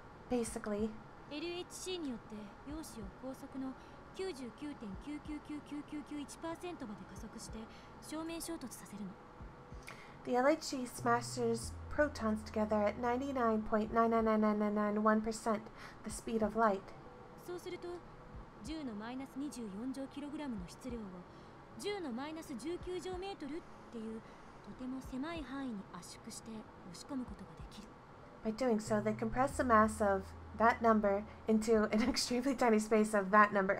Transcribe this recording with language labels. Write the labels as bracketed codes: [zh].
[en] Basically, [ja] LHC によって陽子を高速の 99.999991% まで加速して正面衝突させるの。 [en] The LHC smashes protons together at 99.999991% the speed of light. [ja] そうすると10のマイナス24乗キログラムの質量を10のマイナス19乗メートルっていうとても狭い範囲に圧縮して押し込むことができる。 [en] By doing so, they compress the mass of that number into an extremely tiny space of that number.